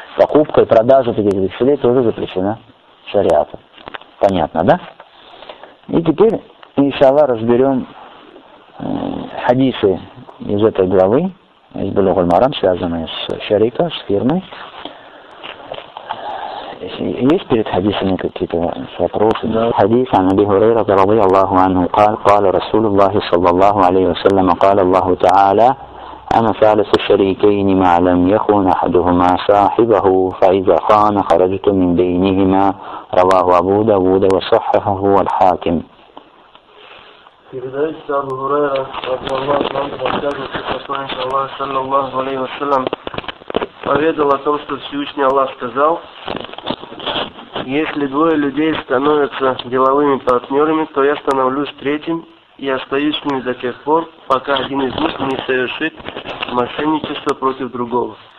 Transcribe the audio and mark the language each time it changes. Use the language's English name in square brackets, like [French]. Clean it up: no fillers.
[Russian] Покупка и продажа таких векселей тоже запрещена шариатом. Понятно, да? И теперь, иншаллах, разберем хадисы из этой главы, из Булугуль Марам, связанные с шарика, с фирмой. есть перед хадисами какие-то вопросы? Да. [Arabic] Хадис ан Аби Хурайра радиаллаху анху قال رسول الله صلى الله عليه وسلم قال الله تعالى أنا ثالث الشريكين ما لم يخون أحدهما صاحبه فإذا خان خرجت من بينهما رواه أبو داود وصححه الحاكم. [Russian] Передается Абу Хурайра радиаллаху анху, рассказывает, что посланник Аллаха саллаллаху алейхи ва саллям поведал о том, что Всевышний Аллах сказал: если двое людей становятся деловыми партнерами, то я становлюсь третьим и остаюсь с ними до тех пор, пока один из них не совершит мошенничество против другого.